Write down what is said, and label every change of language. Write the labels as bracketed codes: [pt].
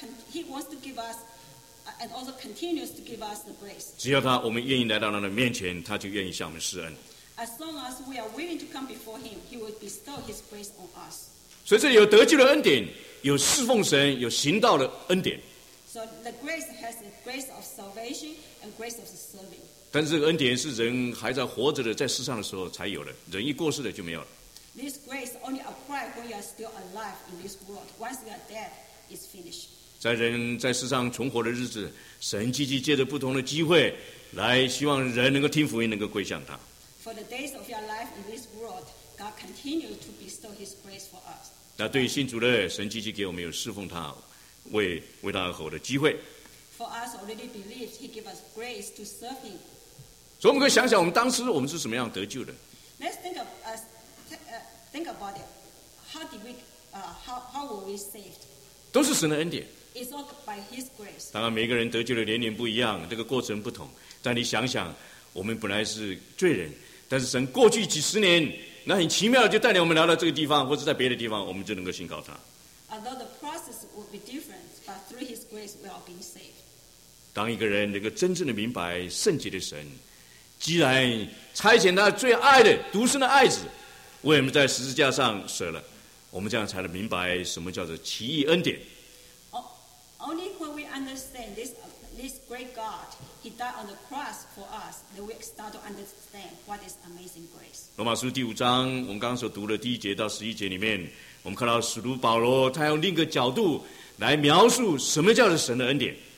[en] He wants to give us, and also continues to give us the grace. [zh] 只要他，我们愿意来到他的面前，他就愿意向我们施恩。 [en] As long as we are willing to come before him, he will bestow his grace on us. [zh] 所以这里有得救的恩典，有侍奉神，有行道的恩典。 [en] So the grace has the grace of salvation and grace of serving. [zh] 但是这个恩典是人还在活着的，在世上的时候才有的，人一过世了就没有了。 [en] This grace only applies when you are still alive in this world. Once you are dead, it's finished. [zh] 在人在世上存活的日子，神积极借着不同的机会来希望人能够听福音，能够归向他。 [en] For the days of your life in this world, God continues to bestow His grace for us. [zh] 那对于信主的，神积极给我们有侍奉他、为他而活的机会。 [en] For us already believed, He gives us grace to serve Him. [zh] 所以我们可以想想，我们当时我们是什么样得救的 [en] ？Let's think of us. Think about it. How did we, how were we saved? [zh] 都是神的恩典。 [en] It's all by His grace. [zh] 当然，每个人得救的年龄不一样，这个过程不同。但你想想，我们本来是罪人，但是神过去几十年，那很奇妙的就带领我们来到这个地方，或者在别的地方，我们就能够信靠他。 [en] Although the process would be different, but through His grace, we are being saved. [zh] 当一个人能够真正的明白圣洁的神，既然差遣他最爱的独生的爱子。为我们在十字架上舍了，我们这样才能明白什么叫做奇异恩典。 [en] Only when we understand this great God, He died on the cross for us, then we start to understand what is amazing grace. [zh] 罗马书第五章，我们刚刚所读的第一节到十一节里面，我们看到使徒保罗他用另一个角度来描述什么叫做神的恩典。